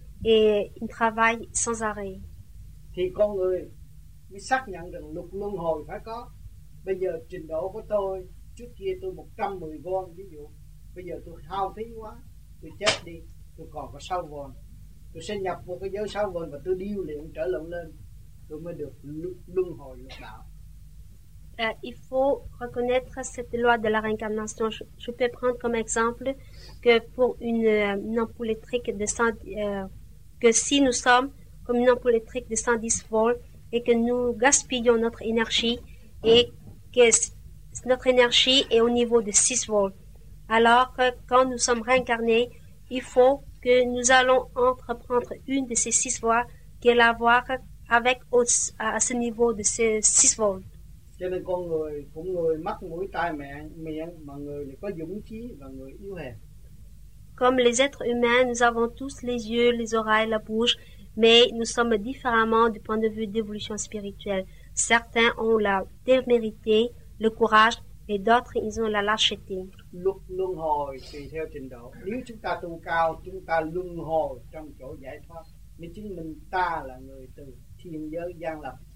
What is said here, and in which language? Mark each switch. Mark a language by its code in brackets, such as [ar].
[fr] Et il travaille sans arrêt. [vi] Thì con người mới xác nhận rằng luật luân hồi phải có. Bây giờ trình độ của tôi, trước kia tôi 110 von ví dụ, bây giờ tôi hao phí quá, tôi chết đi, tôi còn có 6 von. Tôi sẽ nhập vào cái giới 6 von và tôi điêu luyện trở lên, tôi mới được luân hồi lục đạo. [fr] Il faut reconnaître cette loi de la réincarnation. Je peux prendre comme exemple que pour une ampoule électrique de 100, que si nous sommes comme une ampoule électrique de 110 volts et que nous gaspillons notre énergie et que notre énergie est au niveau de 6 volts, alors quand nous sommes réincarnés, il faut que nous allons entreprendre une de ces 6 voies qui est la voie avec à ce niveau de ces 6 volts. [vi] Cho nên con người cũng người mắt mũi tai miệng mà người thì có dũng trí và người yếu hèn. [fr] Comme les êtres humains, nous avons tous les yeux, les oreilles, la bouche, mais nous sommes différemment du point de vue d'évolution spirituelle. Certains ont la témérité, le courage, et d'autres ils ont la lâcheté. [vi] Luân hồi tùy theo trình độ. Nếu chúng ta tu cao, chúng ta luân hồi trong chỗ giải thoát. Nếu chính mình ta là người từ thiên giới giang lập.